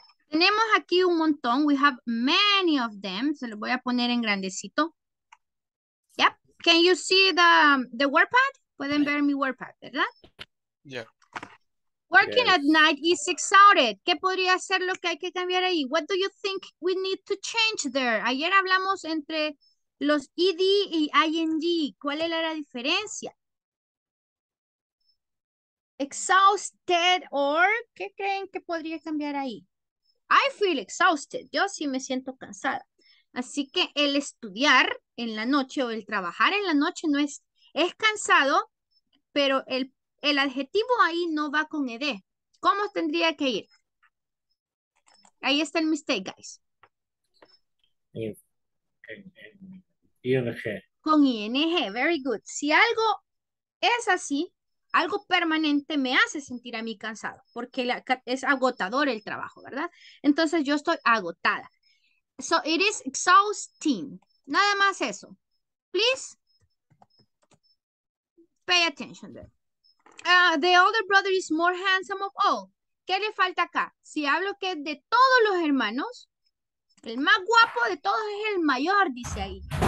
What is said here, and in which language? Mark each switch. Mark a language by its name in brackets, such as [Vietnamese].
[Spanish] Tenemos aquí un montón. [English] We have many of them. [Spanish] Se los voy a poner en grandecito. [English] Yep. Can you see the WordPad? [Spanish] Pueden ver mi WordPad, ¿verdad? [English] Yeah. Working at night is exhausted. [Spanish] ¿Qué podría ser lo que hay que cambiar ahí? [English] What do you think we need to change there? [Spanish] Ayer hablamos entre los ED y ING. ¿Cuál era la diferencia? Exhausted or ¿qué creen que podría cambiar ahí? [English] I feel exhausted. [Spanish] Yo sí me siento cansada. Así que el estudiar en la noche o el trabajar en la noche no es, es cansado, pero el adjetivo ahí no va con ED. ¿Cómo tendría que ir? Ahí está el mistake, guys. [English] ING. [Spanish] Con ING, [English] very good. [Spanish] Si algo es así, algo permanente me hace sentir a mí cansado, porque es agotador el trabajo, ¿verdad? Entonces yo estoy agotada. [English] So it is exhausting. [Spanish] Nada más eso. [English] Please pay attention there. The older brother is more handsome of all. [Spanish] ¿Qué le falta acá? Si hablo que de todos los hermanos, el más guapo de todos es el mayor, dice ahí.